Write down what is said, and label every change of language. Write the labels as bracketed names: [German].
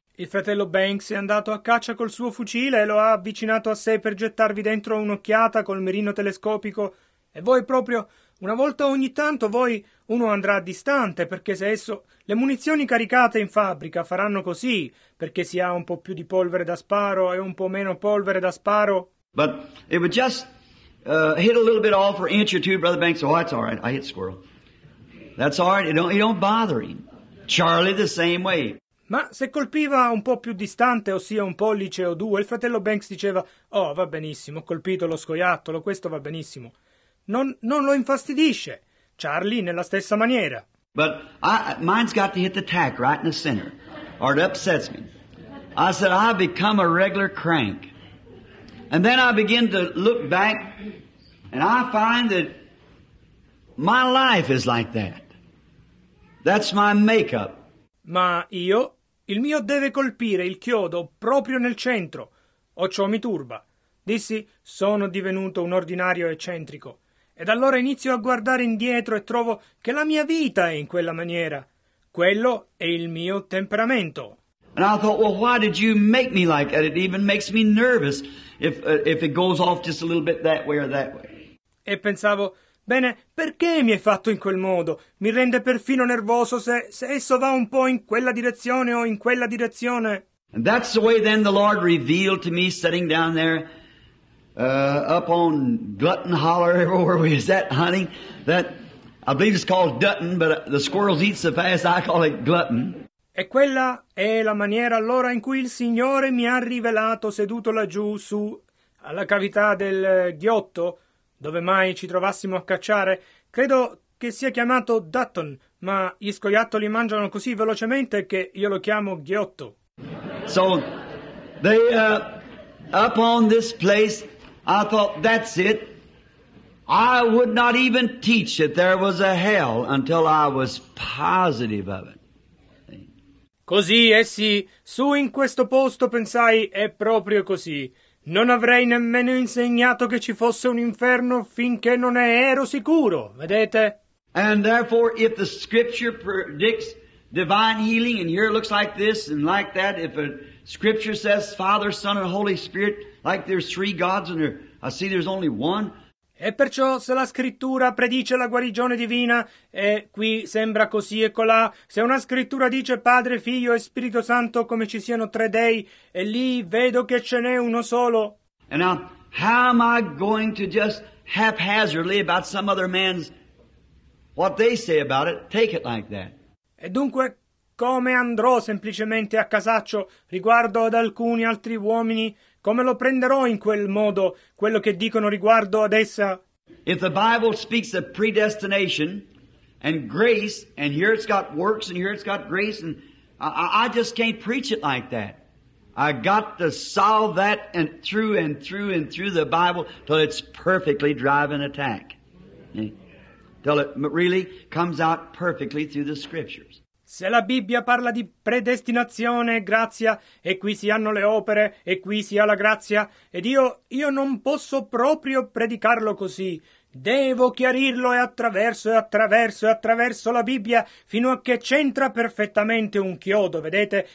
[Italian] Il fratello Banks è andato a caccia col suo fucile e lo ha avvicinato a sé per gettarvi dentro un'occhiata col mirino telescopico. E voi proprio, Una volta ogni tanto voi uno andrà distante, perché se esso le munizioni caricate in fabbrica faranno così, perché si ha un po' più di polvere da sparo e un po' meno polvere da sparo. [English] But it would just hit a little bit off for an inch or two, Brother Banks. Oh, that's all right. I hit squirrel. That's all right. It don't bother him. Charlie the same way. [Italian] Ma se colpiva un po' più distante, ossia un pollice o due, il fratello Banks diceva: oh, va benissimo, ho colpito lo scoiattolo, questo va benissimo. Non lo infastidisce. Charlie nella stessa maniera. [English] But mine's got to hit the tack right in the center, or it upsets me. I said, I become a regular crank. And then I begin to look back, and I find that my life is like that. That's my makeup. [Italian] Ma io, il mio deve colpire il chiodo proprio nel centro, o ciò mi turba. Dissi, sono divenuto un ordinario eccentrico. Ed allora inizio a guardare indietro e trovo che la mia vita è in quella maniera. Quello è il mio temperamento. [English] And I thought, well, why did you make me like that? It even makes me nervous if it goes off just a little bit that way or that way. [Italian] E pensavo, bene, perché mi hai fatto in quel modo? Mi rende perfino nervoso se esso va un po' in quella direzione o in quella direzione. [English] And that's the way then the Lord revealed to me sitting down there up on Glutton Holler, where we was at hunting, that I believe it's called Dutton, but the squirrels eat so fast I call it Glutton. [Italian] E quella è la maniera allora in cui il Signore mi ha rivelato seduto laggiù su alla cavità del ghiotto, dove mai ci trovassimo a cacciare. Credo che sia chiamato Dutton, ma gli scoiattoli mangiano così velocemente che io lo chiamo ghiotto. [English] So, they up on this place, I thought, that's it. I would not even teach that there was a hell until I was positive of it. [Italian] Così, essi, su in questo posto, pensai, è proprio così. Non avrei nemmeno insegnato che ci fosse un inferno finché non ne ero sicuro, vedete? [English] And therefore, if the scripture predicts divine healing, and here it looks like this and like that, if a scripture says Father, Son, and Holy Spirit, like there's three gods, and I see there's only one. [Italian] E perciò, se la scrittura predice la guarigione divina, e qui sembra così e colà, se una scrittura dice Padre, Figlio e Spirito Santo come ci siano tre dei, e lì vedo che ce n'è uno solo. [English] And now, how am I going to just haphazardly about some other man's, what they say about it, take it like that? [Italian] E dunque, come andrò semplicemente a casaccio riguardo ad alcuni altri uomini? Come lo prenderò in quel modo, quello che dicono riguardo ad essa? [English] If the Bible speaks of predestination and grace, and here it's got works and here it's got grace, and I just can't preach it like that. I got to solve that and through and through and through the Bible till it's perfectly driving attack. Till it really comes out perfectly through the scriptures. [Italian] Se la Bibbia parla di predestinazione e grazia, e qui si hanno le opere, e qui si ha la grazia, ed io non posso proprio predicarlo così. Devo chiarirlo attraverso la Bibbia, fino a che c'entra perfettamente un chiodo, vedete?